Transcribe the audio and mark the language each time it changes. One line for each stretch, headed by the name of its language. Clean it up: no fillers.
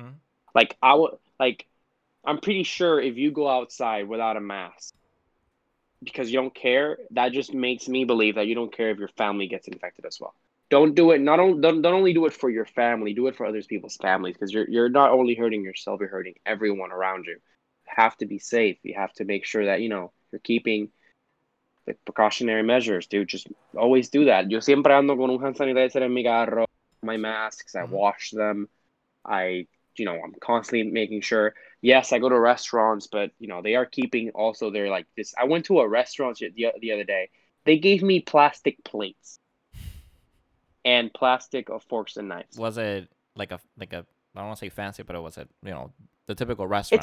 English: Mm-hmm. Like, I'm pretty sure if you go outside without a mask because you don't care, that just makes me believe that you don't care if your family gets infected as well. Don't do it. Don't only do it for your family. Do it for other people's families, because you're not only hurting yourself, you're hurting everyone around you. You have to be safe. You have to make sure that, you know, you're keeping the precautionary measures, dude. Just always do that.
Spanish: Yo siempre ando con un hand sanitizer en mi carro.
English: My masks, I wash them. I'm constantly making sure. Yes, I go to restaurants, but, you know, they are keeping also their, like, this. I went to a restaurant the other day. They gave me plastic plates and plastic forks and knives. Was it like a, I don't want to say fancy, but it was, it, you know, the typical restaurant?